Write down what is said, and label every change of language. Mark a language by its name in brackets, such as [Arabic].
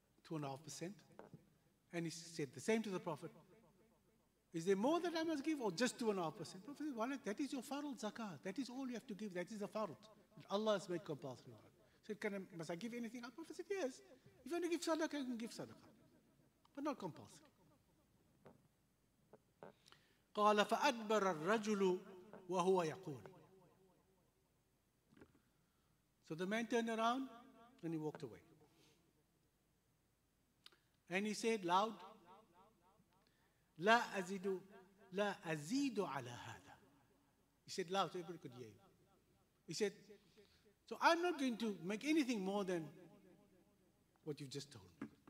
[English] 2.5%. And he said the same to the Prophet. Is there more that I must give or just 2.5%? Prophet said, well, that is your fard zakah. That is all you have to give. That is the fard. Allah has made compulsory. He said, must I give anything? The Prophet said, yes. If you want to give sadaqah, you can give sadaqah. But not compulsory. [Arabic] قال فأدبر الرجل وهو يقول. [English] So the man turned around and he walked away. And he said loud, [Arabic] لا أزيد على هذا. [English] He said loud, so everybody could hear him. He said, so I'm not going to make anything more than what you've just told me.